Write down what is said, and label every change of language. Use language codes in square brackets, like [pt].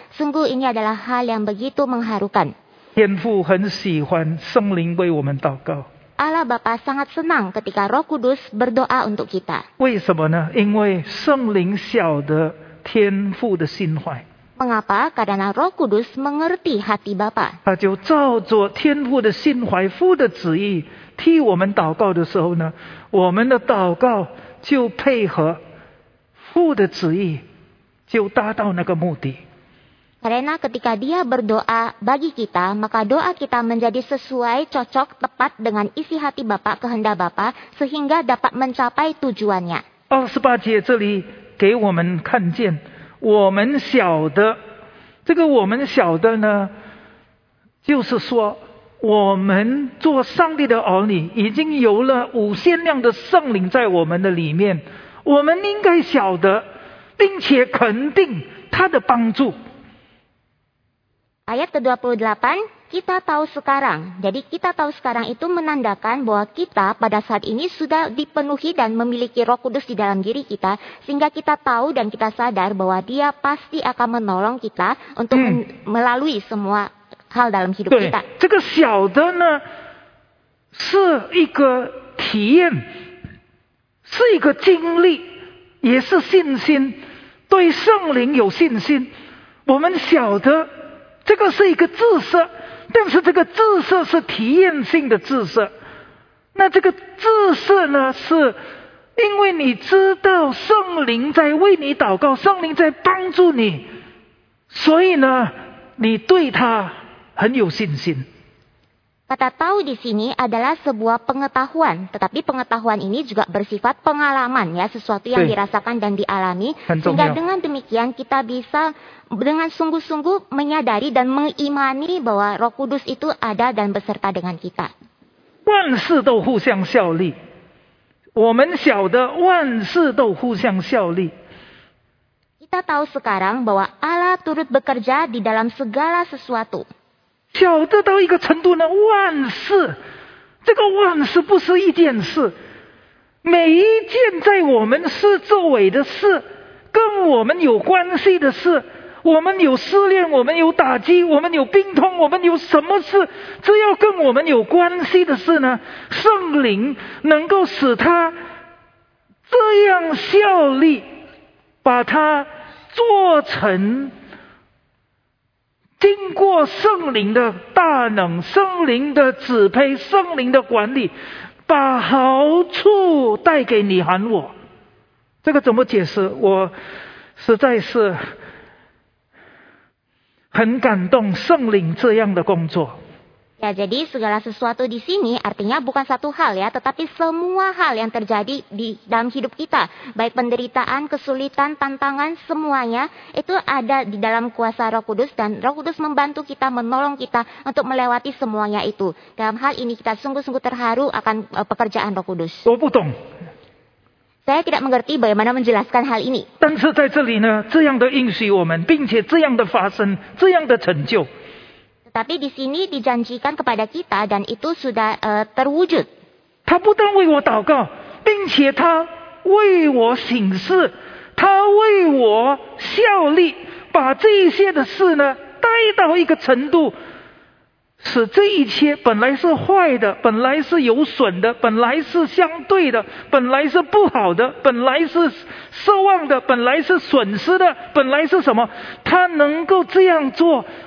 [id] Sungguh ini adalah hal yang begitu mengharukan. [zh] 天父很喜欢圣灵为我们祷告。 [id] Allah Bapa sangat senang ketika Roh Kudus berdoa untuk kita. [zh] 为什么呢？因为圣灵晓得天父的心怀。 [id] Mengapa? Karena Roh Kudus mengerti hati Bapa. [zh] 他就照着天父的心怀、父的旨意替我们祷告的时候呢，我们的祷告就配合父的旨意，就达到那个目的。 [id] Karena ketika dia berdoa bagi kita, maka doa kita menjadi sesuai, cocok, tepat dengan isi hati Bapa, kehendak Bapa, sehingga dapat mencapai tujuannya. [zh] 28节这里给我们看见。我们晓得，这个我们晓得呢，就是说，我们做上帝的儿女，已经有了无限量的圣灵在我们的里面，我们应该晓得，并且肯定他的帮助。 [id] Ayat ke-28, kita tahu sekarang. Jadi kita tahu sekarang itu menandakan bahwa kita pada saat ini sudah dipenuhi dan memiliki Roh Kudus di dalam diri kita. Sehingga kita tahu dan kita sadar bahwa dia pasti akan menolong kita untuk melalui semua hal dalam hidup kita. [zh] 这个晓得呢是一个体验，是一个经历，也是信心，对圣灵有信心。我们晓得这个是一个知识，但是这个知识是体验性的知识。那这个知识呢，是因为你知道圣灵在为你祷告，圣灵在帮助你，所以呢，你对他很有信心。 [id] Kata tahu di sini adalah sebuah pengetahuan, tetapi pengetahuan ini juga bersifat pengalaman, ya, sesuatu yang dirasakan dan dialami. Sehingga dengan demikian kita bisa dengan sungguh-sungguh menyadari dan mengimani bahwa Roh Kudus itu ada dan beserta dengan kita. [zh] 万事都互相效力，我们晓得万事都互相效力。 [id] Kita tahu sekarang bahwa Allah turut bekerja di dalam segala sesuatu. [zh] 晓得到一个程度呢，万事，这个万事不是一件事，每一件在我们事周围的事，跟我们有关系的事，我们有失恋，我们有打击，我们有病痛，我们有什么事，只要跟我们有关系的事呢，圣灵能够使他这样效力，把它做成经过圣灵的大能，圣灵的指配，圣灵的管理，把好处带给你和我。这个怎么解释？我实在是很感动圣灵这样的工作。 [id] Ya, jadi segala sesuatu di sini artinya bukan satu hal ya, tetapi semua hal yang terjadi di dalam hidup kita, baik penderitaan, kesulitan, tantangan, semuanya itu ada di dalam kuasa Roh Kudus dan Roh Kudus membantu kita, menolong kita untuk melewati semuanya itu. Dalam hal ini kita sungguh-sungguh terharu akan pekerjaan Roh Kudus. [zh] 我不懂。 [id] Saya tidak mengerti bagaimana menjelaskan hal ini. [zh] 但是在这里呢，这样的应许我们，并且这样的发生，这样的成就。 [id] Tapi di sini dijanjikan kepada kita dan itu sudah terwujud. [zh] 他不但为我祷告，并且他为我行事，他为我效力，把这些的事呢带到一个程度，使这一切本来是坏的，本来是有损的，本来是相对的，本来是不好的，本来是失望的，本来是损失的，本来是什么，他能够这样做。